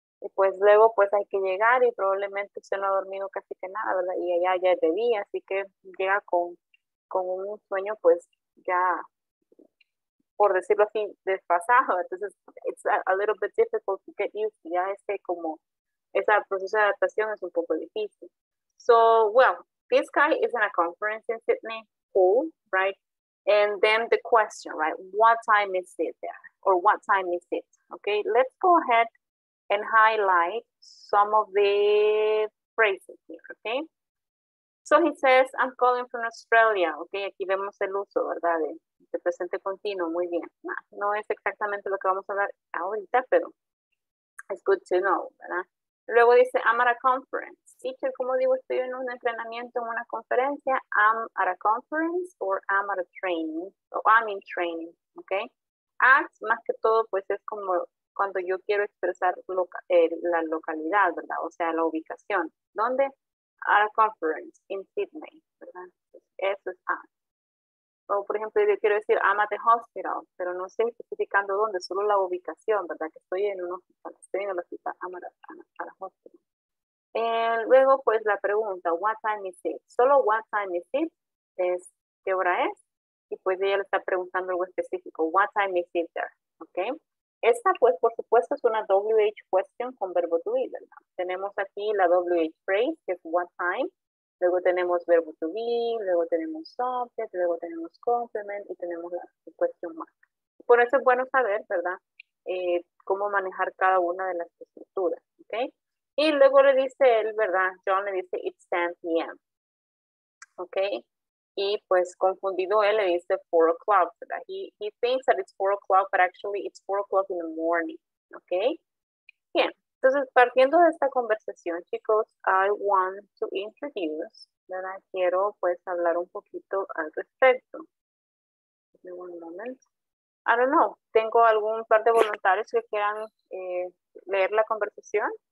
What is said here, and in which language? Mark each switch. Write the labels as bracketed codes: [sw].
[es] Y pues luego, pues hay que llegar y probablemente usted no ha dormido casi que nada, ¿verdad? Y allá ya es de día, así que llega con un sueño, pues ya, por decirlo así, desfasado. Entonces, [en] it's a little bit difficult to get used to. [es] Ya este como, ese proceso de adaptación es un poco difícil. [en] So, well, this guy is in a conference in Sydney Hall, right? And then the question, right? What time is it there? Or what time is it? Okay, let's go ahead and highlight some of the phrases here, okay? So he says, I'm calling from Australia, okay? [es] Aquí vemos el uso, ¿verdad? De presente continuo, muy bien. Nah, no es exactamente lo que vamos a hablar ahorita, pero [en] it's good to know, [es] ¿verdad? Luego dice, [en] I'm at a conference. [es] Teacher, como digo, estoy en un entrenamiento, en una conferencia. [en] I'm at a conference or I'm at a training. So I'm in training, okay? [es] Act, más que todo, pues es como cuando yo quiero expresar la localidad, ¿verdad? O sea, la ubicación. ¿Dónde? [en] At a conference in Sydney, [es] ¿verdad? Eso es act. O, por ejemplo, yo quiero decir, [en] I'm at the hospital, [es] pero no estoy especificando dónde, solo la ubicación, ¿verdad? Que estoy en un hospital, estoy en el hospital, [en] I'm at a hospital. [es] Luego, pues, la pregunta, [en] what time is it? [es] Solo [en] what time is it [es] es qué hora es, y pues ella le está preguntando algo específico, [en] what time is it there, [es] ¿ok? Esta, pues, por supuesto, es una WH question con verbo to be, ¿verdad? Tenemos aquí la WH phrase, que es what time. Luego tenemos verbo to be, luego tenemos subject, luego tenemos complement y tenemos la question mark. Por eso es bueno saber, ¿verdad? Cómo manejar cada una de las estructuras, ¿ok? Y luego le dice él, ¿verdad? John le dice, [en] it's 10 p.m. [es] ¿Ok? Y pues confundido él le dice 4 o'clock, ¿verdad? [en] He thinks that it's 4 o'clock, but actually it's 4 o'clock in the morning, ¿ok? [es] Bien. Entonces, partiendo de esta conversación, chicos, [en] I want to introduce, [es] ¿verdad? Quiero, pues, hablar un poquito al respecto. [en] Give me one moment. I don't know. [es] ¿Tengo algún par de voluntarios que quieran leer la conversación?